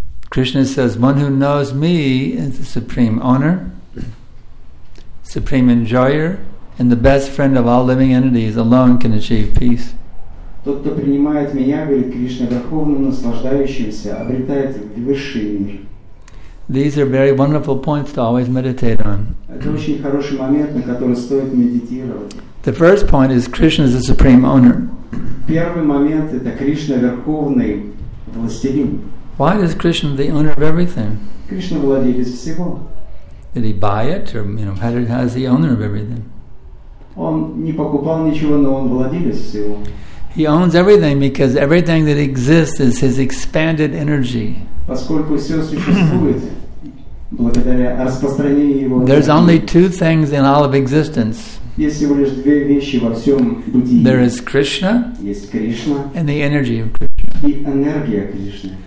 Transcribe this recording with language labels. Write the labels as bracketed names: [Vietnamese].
[English] Krishna says, one who knows me is the supreme owner, supreme enjoyer, and the best friend of all living entities alone can achieve peace. [Russian] Тот, кто принимает меня, говорит Кришна, верховным наслаждающимся, обретает высший мир. [English] These are very wonderful points to always meditate on. [Russian] Это очень хороший момент, на который стоит медитировать. [English] The first point is Krishna is the supreme owner. [Russian] Первый момент – это Кришна верховный властелин. [English] Why is Krishna the owner of everything? [Russian] Кришна владелец всего. [English] Did he buy it, or you know, how is he owner of everything? [Russian] Он не покупал ничего, но он владелец всего. [English] He owns everything because everything that exists is his expanded energy. There's only two things in all of existence. There is Krishna and the energy of Krishna.